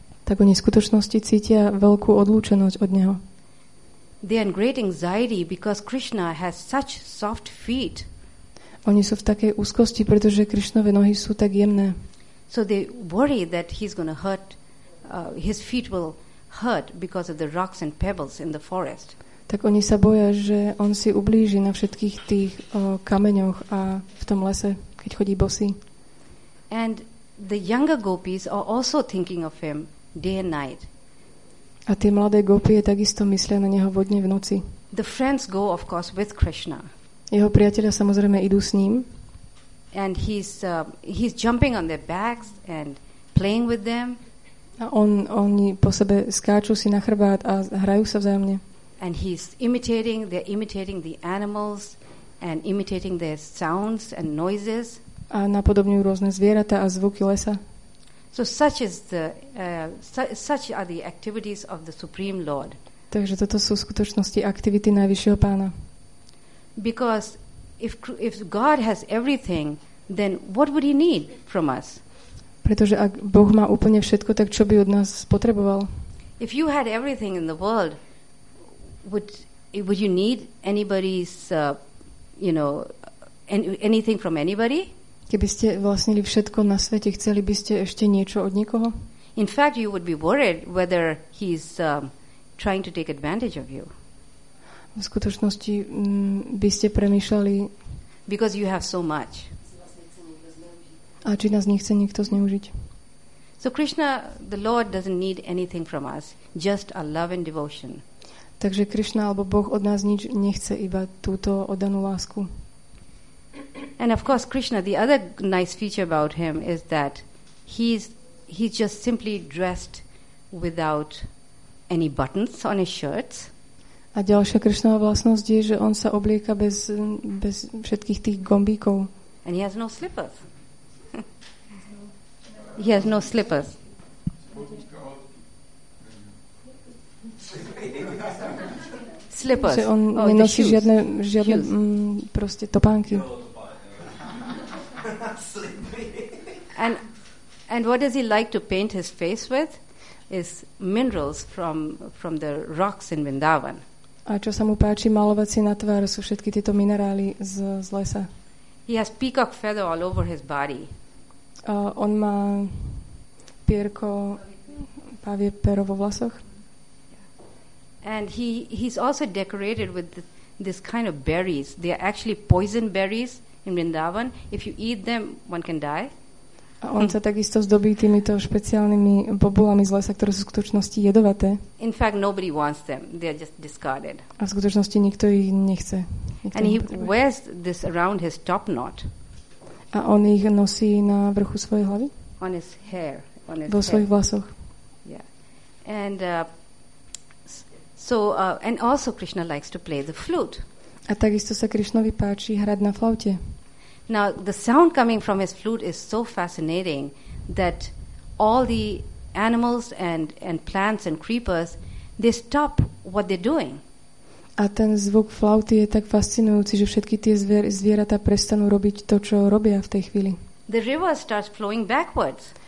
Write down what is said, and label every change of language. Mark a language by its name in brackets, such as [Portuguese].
[Slovak] Tak oni v skutočnosti cítia veľkú odlúčenosť od neho. [English] They are in great anxiety because Krishna has such soft feet. [Slovak] Oni sú v takej úzkosti, pretože Krishnove nohy sú tak jemné. [English] So they worry that he's going to hurt his feet will hurt because of the rocks and pebbles in the forest. [Slovak] Tak oni sa boja, že on si ublíži na všetkých tých kameňoch a v tom lese, keď chodí bosý. [English] And the younger gopis are also thinking of him day and night. [Slovak] A tie mladé gopie takisto myslia na neho vo dne v noci. [English] The friends go of course with Krishna. [Slovak] Jeho priatelia samozrejme idú s ním. [English] And he's jumping on their backs and playing with them. [Slovak] A oni po sebe skáču si na chrbát a hrajú sa vzájomne. [English] And he's imitating, they're imitating the animals and imitating their sounds and noises. [Slovak] A napodobňujú rôzne zvieratá a zvuky lesa. [English] So such are the activities of the Supreme Lord. [Slovak] Takže toto sú v skutočnosti aktivity najvyššieho pána. [English] Because if God has everything, then what would he need from us? [Slovak] Pretože ak Boh má úplne všetko, tak čo by od nás potreboval? [English] If you had everything in the world, would you need anybody's you know anything from anybody? [Slovak] Keby ste vlastnili všetko na svete, chceli by ste ešte niečo od niekoho? [English] In fact, you would be worried whether he's trying to take advantage of you. [Slovak] V skutočnosti by ste premýšľali, [English] because you have so much. [Slovak] A či nás nechce nikto zneužiť? [English] So Krishna, the Lord doesn't need anything from us, just our love and devotion. [Slovak] Takže Krishna alebo Boh od nás nič nechce, iba túto oddanú lásku. [English] And of course Krishna, the other nice feature about him is that he's just simply dressed without any buttons on his shirts. [Slovak] A ďalšia Krishnova vlastnosť je, že on sa oblieka bez všetkých tých gombíkov. [English] And he has no slippers. He has no slippers. Slippers. [Slovak] On nenosí žiadne proste topánky. [English] And what does he like to paint his face with? Is minerals from the rocks in Vrindavan. [Slovak] A čo sa mu páči malovať si na tvár, sú všetky tieto minerály z lesa. [English] He has peacock feather all over his body. [Slovak] On má pierko, pavie pero vo vlasoch. [English] And he's also decorated with this kind of berries. They are actually poison berries in Vrindavan. If you eat them, one can die. [Slovak] A on sa takisto zdobí týmito špeciálnymi bobulami z lesa, ktoré sú v skutočnosti jedovaté. [English] In fact, nobody wants them. They are just discarded. [Slovak] A v skutočnosti nikto ich nechce. [English] And he wears this around his top knot. [Slovak] A on ich nosí na vrchu svojej hlavy? [English] On his hair. On his [Slovak] vo svojich vlasoch. [English] Yeah. And and also Krishna likes to play the flute. [Slovak] A takisto sa Krishnovi páči hrať na flaute. [English] Now the sound coming from his flute is so fascinating that all the animals and plants and creepers, they stop what they're doing. [Slovak] A ten zvuk flauty je tak fascinujúci, že všetky tie zvieratá prestanú robiť to, čo robia v tej chvíli. [English] The river starts flowing backwards.